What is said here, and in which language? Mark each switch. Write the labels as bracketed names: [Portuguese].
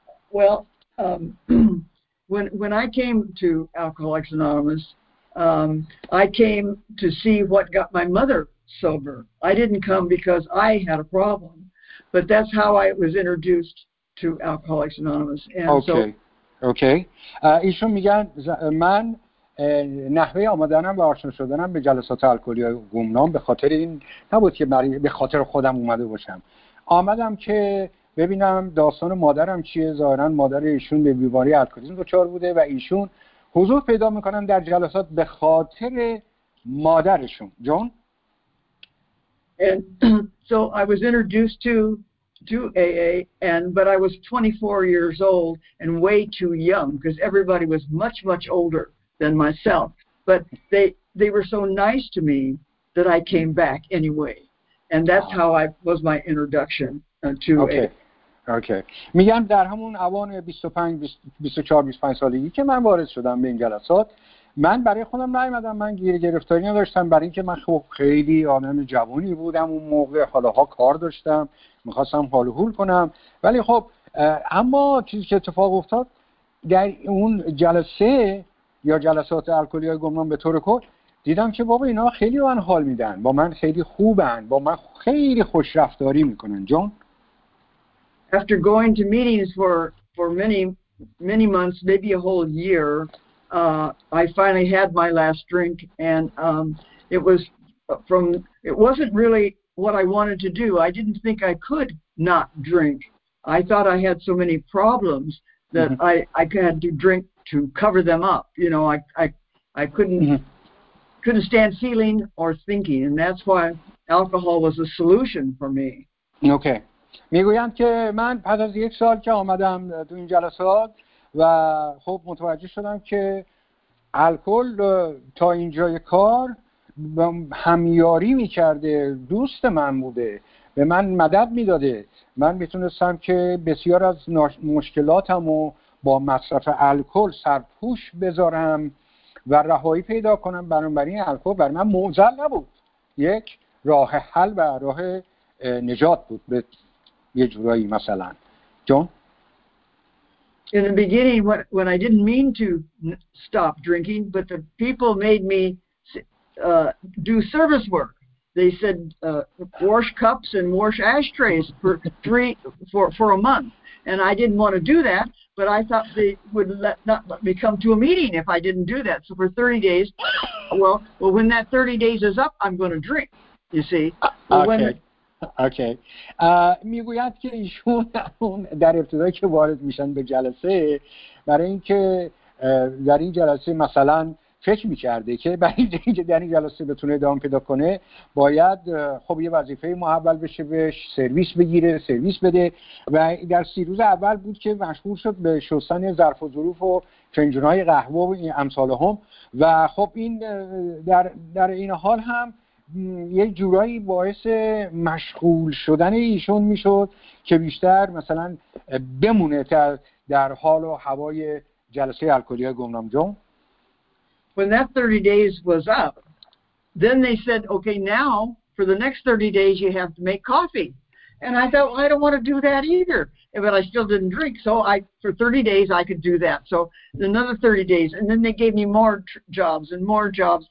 [English] Well, when I came to Alcoholics Anonymous, I came to see what got my mother sober. I didn't come because I had a problem, but that's how I was introduced to Alcoholics Anonymous. And [Persian] ایشون میگن من نحوه آمدنم و آشنا شدنم به جلسات الکلی های گمنام به خاطر این نبود که به خاطر خودم اومده باشم. آمدم که ببینم داستان مادرم چیه. ظاهرا مادر ایشون به بیماری الکلیسم دچار بوده و ایشون حضور پیدا میکنن در جلسات به خاطر مادرشون. جون؟ [English] And so I was introduced to AA, but I was 24 years old and way too young because everybody was much, much older than myself. But they were so nice to me that I came back anyway. And that's how I was my introduction to AA. Okay. [Persian] میگم در همون اوان 25 24 25 سالگی که من وارد شدم به این جلسات، من برای خودم نیومدم، من گرفتاری نداشتم، برای اینکه من خب خیلی آدم جوانی بودم اون موقع، حالا ها کار داشتم، میخواستم حال و حول کنم. ولی خب اما چیزی که اتفاق افتاد در اون جلسه یا جلسات الکلی های گمنام به طور کل، دیدم که بابا اینا خیلی من حال میدن، با من خیلی خوبن، با من خیلی خوش رفتاری میکنن. جون، [English] After going to meetings for many, many months, maybe a whole year, I finally had my last drink, and it was from, it wasn't really what I wanted to do. I didn't think I could not drink. I thought I had so many problems that I had to drink to cover them up. You know, I couldn't couldn't stand feeling or thinking, and that's why alcohol was a solution for me. Okay. [Persian] میگویند که من پس از یک سال که آمدم در این جلسات و خب متوجه شدم که الکل تا اینجای کار همیاری میکرده، دوست من بوده، به من مدد میداده، من میتونستم که بسیار از مشکلاتم رو با مصرف الکل سرپوش بذارم و رهایی پیدا کنم. بنابراین الکل برای من معضل نبود، یک راه حل و راه نجات بود به یه جورایی. مثلا جون، [English] in the beginning when I didn't mean to stop drinking, but the people made me do service work. They said wash cups and wash ashtrays for a month, and I didn't want to do that, but I thought they would not let me come to a meeting if I didn't do that. So for 30 days, well when that 30 days is up, I'm going to drink, you see. Okay. [Persian] میگوید که ایشون در ابتدای که وارد میشن به جلسه، برای اینکه در این جلسه مثلا فکر میکرده که برای اینکه در این جلسه بتونه ادامه پیدا کنه باید خب یه وظیفه محول بشه، بهش سرویس بگیره، سرویس بده، و در 30 روز اول بود که مشهور شد به شستن ظرف و ظروف و فنجونهای قهوه و امثال هم. و خب این در این حال هم یه جورایی باعث مشغول شدن ایشون میشد که بیشتر مثلا بمونه تر در حال و هوای جلسه الکلی گمنام جون. [English] When that 30 days was up, then they said, okay, now for the next 30 days you have to make coffee. And I thought, well, I don't want to do that either. But I still didn't drink, so I for 30 days I could do that. So another 30 days, and then they gave me more jobs and more jobs.